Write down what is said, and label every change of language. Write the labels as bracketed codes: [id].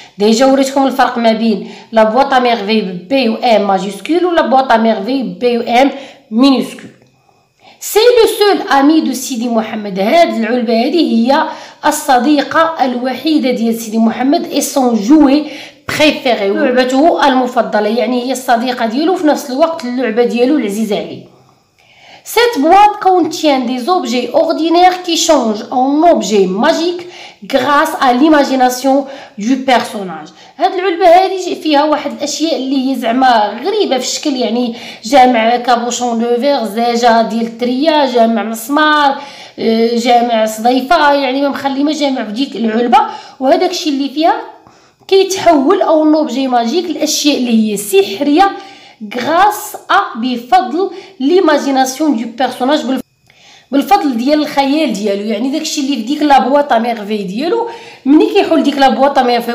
[ar] ديجا وريتكم الفرق ما بين لا بواطا ميرفي بي و ام ماجيسكول، ولا بواطا ميرفي بي و ام مينيسكول. [fr] سي لو سول امي دو [ar] سيدي محمد، هاد العلبه هادي هي الصديقه الوحيده ديال سيدي محمد، [fr] اي سون جوي بريفيري، [ar] لعبته المفضله، يعني هي الصديقه ديالو في نفس الوقت اللعبه ديالو العزيزه عليه. [fr] Cette boîte contient des objets ordinaires qui changent en objets magiques grâce à l'imagination du personnage. [ar] هاد العلبة هادي فيها واحد الأشياء اللي هي زعما غريبة في الشكل، يعني جامع كابوشون دو فيغ، زاجة ديال الترية، جامع مسمار، جامع صديفه يعني ما مخلي ما جامع في ديك العلبه، وهذاك الشيء اللي فيها كيتحول [fr] او لوبجي ماجيك [ar] الاشياء اللي هي سحريه غراس ا بفضل [fr] ليماجيناسيون دو بيرسوناج [ar] بالفضل ديال الخيال ديالو، يعني داكشي اللي في ديك لابواطا ميرفي ديالو ملي كيحول ديك لابواطا ميرفي.